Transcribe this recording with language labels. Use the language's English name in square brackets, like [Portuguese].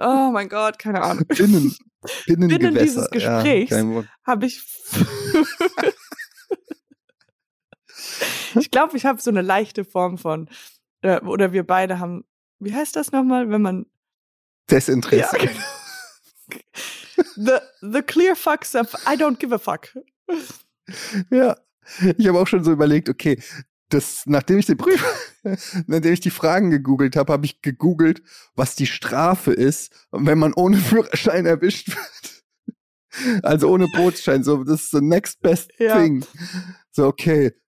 [German] Oh mein Gott, keine Ahnung. Binnengewässer. Binnen dieses Gesprächs habe ich... Ich glaube, ich habe so eine leichte Form von, oder wir beide haben, wie heißt das nochmal, wenn man... Desinteresse. Ja. [English] The clear fucks of I don't give a fuck. [German] Ja, ich habe auch schon so überlegt, okay, das, nachdem ich die Fragen gegoogelt habe, habe ich gegoogelt, was die Strafe ist, wenn man ohne Führerschein erwischt wird. Also ohne Bootschein, so, das ist [English] the next best thing. [German] So, okay.